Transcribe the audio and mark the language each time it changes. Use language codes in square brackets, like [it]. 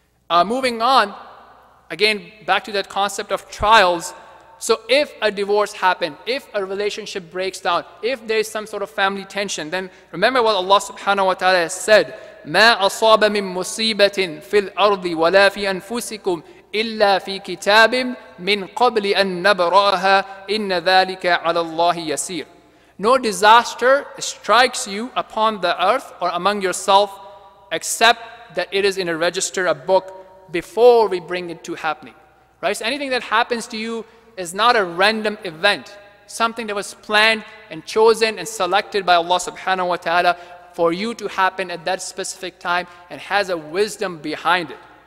[en] Moving on, again, back to that concept of trials. So if a divorce happened, if a relationship breaks down, if there is some sort of family tension, then remember what Allah subhanahu wa ta'ala has said, [ar] مَا أَصَابَ مِن مُصِيبَةٍ فِي الْأَرْضِ وَلَا فِي أَنفُسِكُمْ إلا في كتاب من قبل أن نبرأها إن ذلك على الله يسير. [en] No disaster strikes you upon the earth or among yourself except that it is in a register, a book, before we bring it to happening. Right? So anything that happens to you is not a random event, something that was planned and chosen and selected by Allah subhanahu wa ta'ala for you to happen at that specific time and has a wisdom behind it.